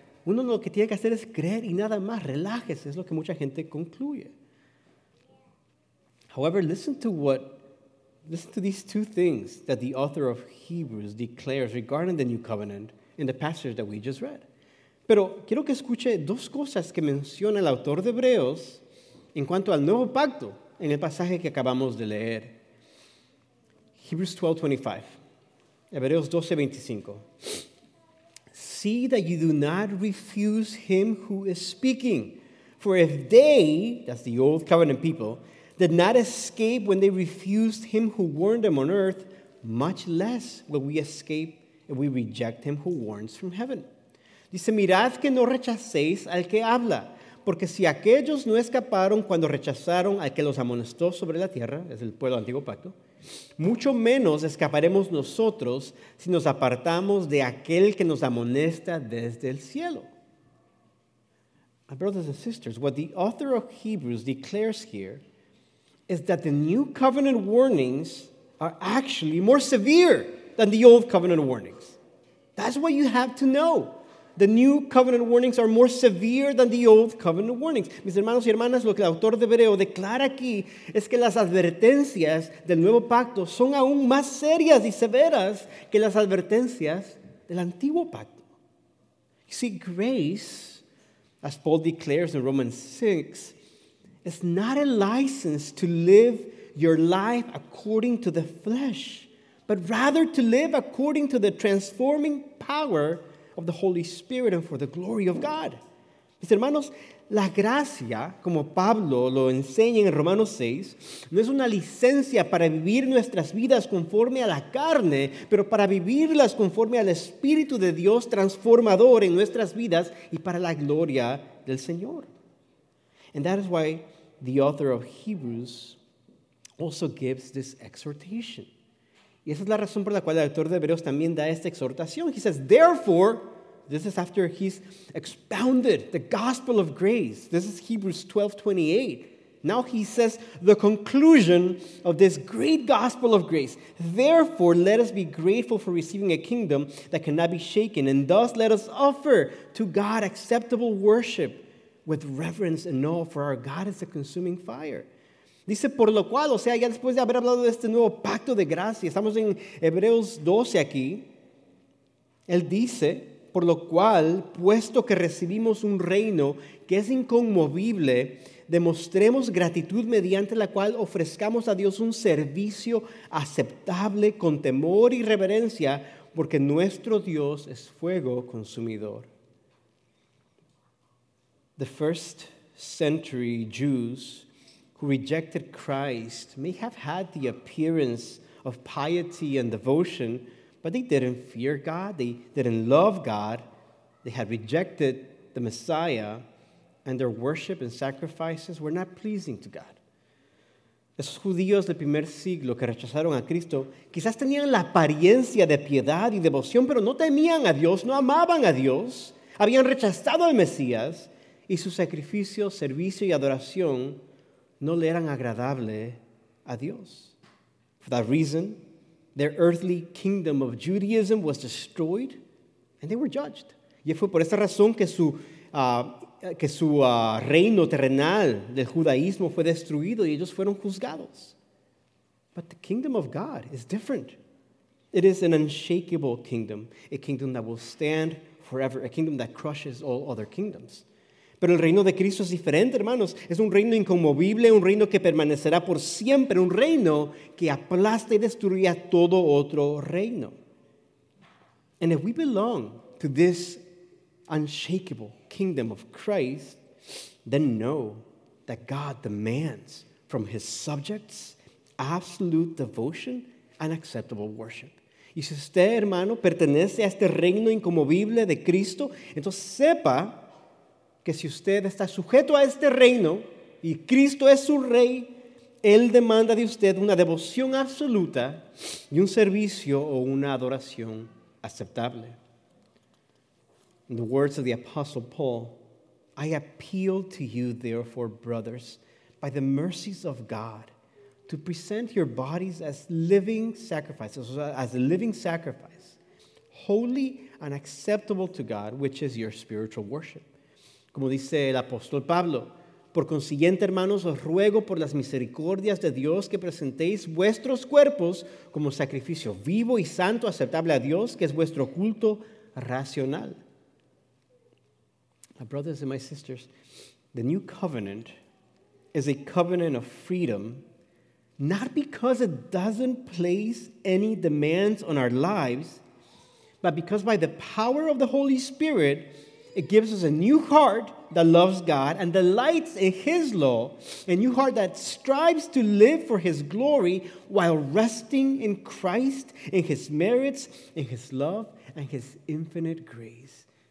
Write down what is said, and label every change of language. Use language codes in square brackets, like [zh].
[es] Uno lo que tiene que hacer es creer y nada más. Relájese, es lo que mucha gente concluye. [en] However, listen to these two things that the author of Hebrews declares regarding the new covenant in the passage that we just read. [es] Pero quiero que escuche dos cosas que menciona el autor de Hebreos en cuanto al nuevo pacto en el pasaje que acabamos de leer. [en] Hebrews 12:25, Hebreos 12:25. See that you do not refuse him who is speaking. For if they, that's the old covenant people, did not escape when they refused him who warned them on earth, much less will we escape if we reject him who warns from heaven. [es] Dice, mirad que no rechacéis al que habla. Porque si aquellos no escaparon cuando rechazaron al que los amonestó sobre la tierra, es el pueblo del antiguo pacto, mucho menos escaparemos nosotros si nos apartamos de aquel que nos amonesta desde el cielo. [en] My brothers and sisters, what the author of Hebrews declares here is that the new covenant warnings are actually more severe than the old covenant warnings. That's what you have to know. The new covenant warnings are more severe than the old covenant warnings. [es] Mis hermanos y hermanas, lo que el autor de Hebreo declara aquí es que las advertencias del nuevo pacto son aún más serias y severas que las advertencias del antiguo pacto. [en] You see, grace, as Paul declares in Romans 6, is not a license to live your life according to the flesh, but rather to live according to the transforming power of the Holy Spirit and for the glory of God. [es] Mis hermanos, La gracia, como Pablo lo enseña en Romanos 6, no es una licencia para vivir nuestras vidas conforme a la carne, pero para vivirlas conforme al Espíritu de Dios transformador en nuestras vidas y para la gloria del Señor. [en] And that is why the author of Hebrews also gives this exhortation. [es] Y esa es la razón por la cual el autor de Hebreos también da esta exhortación. [en] He says, therefore, this is after he's expounded the gospel of grace. This is Hebrews 12:28. Now he says the conclusion of this great gospel of grace. Therefore, let us be grateful for receiving a kingdom that cannot be shaken, and thus let us offer to God acceptable worship with reverence and awe, for our God is a consuming fire. [es] Dice, por lo cual, o sea, ya después de haber hablado de este nuevo pacto de gracia, estamos en Hebreos 12 aquí, él dice, por lo cual, puesto que recibimos un reino que es inconmovible, demostremos gratitud mediante la cual ofrezcamos a Dios un servicio aceptable con temor y reverencia, porque nuestro Dios es fuego consumidor. [en] The first century Jews who rejected Christ may have had the appearance of piety and devotion, but they didn't fear God, they didn't love God, they had rejected the Messiah, and their worship and sacrifices were not pleasing to God. [es] Esos judíos del primer siglo que rechazaron a Cristo, quizás tenían la apariencia de piedad y devoción, pero no temían a Dios, no amaban a Dios, habían rechazado al Mesías, y su sacrificio, servicio y adoración no le eran agradable a Dios. [en] For that reason, their earthly kingdom of Judaism was destroyed and they were judged. [es] Y fue por esa razón que su reino terrenal del judaísmo fue destruido y ellos fueron juzgados. [en] But the kingdom of God is different. It is an unshakable kingdom, a kingdom that will stand forever, a kingdom that crushes all other kingdoms. [es] Pero el reino de Cristo es diferente, hermanos. Es un reino inconmovible, un reino que permanecerá por siempre, un reino que aplasta y destruye a todo otro reino. [en] And if we belong to this unshakable kingdom of Christ, then know that God demands from his subjects absolute devotion and acceptable worship. [es] Y si usted, hermano, pertenece a este reino inconmovible de Cristo, entonces sepa que si usted está sujeto a este reino y Cristo es su rey, él demanda de usted una devoción absoluta y un servicio o una adoración aceptable. [en] In the words of the Apostle Paul, I appeal to you, therefore, brothers, by the mercies of God, to present your bodies as living sacrifices, as a living sacrifice, holy and acceptable to God, which is your spiritual worship. [es] Como dice el apóstol Pablo, por consiguiente, hermanos, os ruego por las misericordias de Dios que presentéis vuestros cuerpos como sacrificio vivo y santo, aceptable a Dios, que es vuestro culto racional. [en] My brothers and my sisters, the new covenant is a covenant of freedom, not because it doesn't place any demands on our lives, but because by the power of the Holy Spirit, it gives us a new heart that loves God and delights in His law, a new heart that strives to live for His glory while resting in Christ, in His merits, in His love, and His infinite grace.